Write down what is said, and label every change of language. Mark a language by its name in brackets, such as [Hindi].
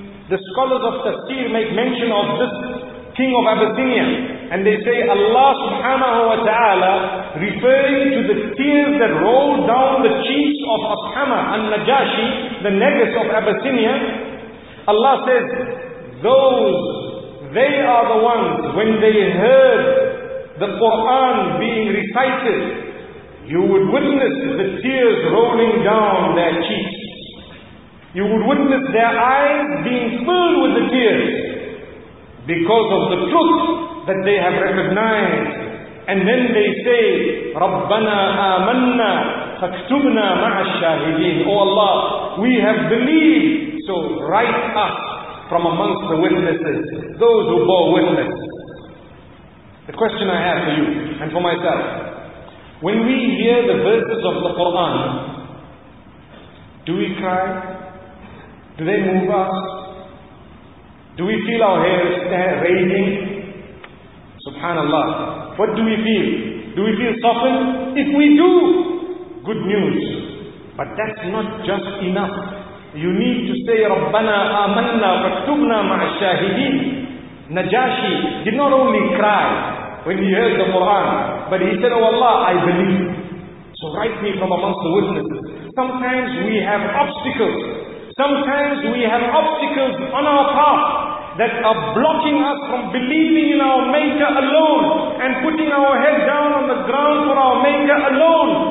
[English] The scholars of Tafsir make mention of this king of Abyssinia, and they say Allah subhanahu wa ta'ala, referring to the tears that rolled down the cheeks of Ashama al-Najashi, the Negus of Abyssinia, Allah says, those, they are the ones, when they heard the Quran being recited, you would witness the tears rolling down their cheeks. You would witness their eyes being filled with the tears, because of the truth that they have recognized. And then they say, [Arabic] رَبَّنَا آمَنَّا فَاكْتُبْنَا مَعَ الشَّاهِدِينَ. [English] Oh Allah, we have believed, so write us from amongst the witnesses, those who bore witness. The question I have for you and for myself, when we hear the verses of the Quran, do we cry? Do they move us? Do we feel our hair raising? Subhanallah. What do we feel? Do we feel softened? If we do, good news. But that's not just enough. You need to say, [Arabic] رَبَّنَا آمَنَّا فَاكْتُبْنَا مَعَ الشَّاهِدِينَ. [English] Najashi did not only cry when he heard the Quran, but he said, oh Allah, I believe. So write me from amongst the witnesses. Sometimes we have obstacles. Sometimes we have obstacles on our path that are blocking us from believing in our Maker alone and putting our head down on the ground for our Maker alone.